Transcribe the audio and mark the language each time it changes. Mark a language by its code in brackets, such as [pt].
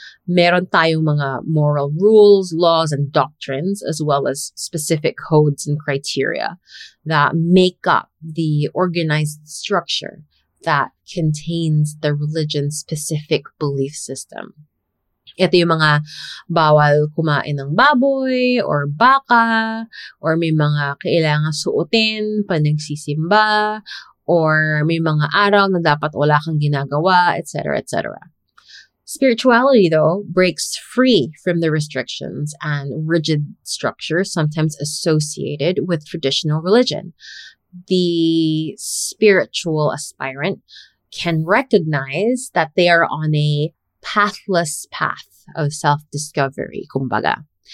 [tl] Meron tayong mga [en] moral rules, laws, and doctrines, as well as specific codes and criteria that make up the organized structure that contains the religion's specific belief system. [tl] Ito yung mga bawal kumain ng baboy or baka, or may mga kailangan suotin panagsisimba, or may mga araw na dapat wala kang ginagawa, etc., etc. [en] Spirituality, though, breaks free from the restrictions and rigid structure sometimes associated with traditional religion. The spiritual aspirant can recognize that they are on a pathless path of self-discovery, kumbaga.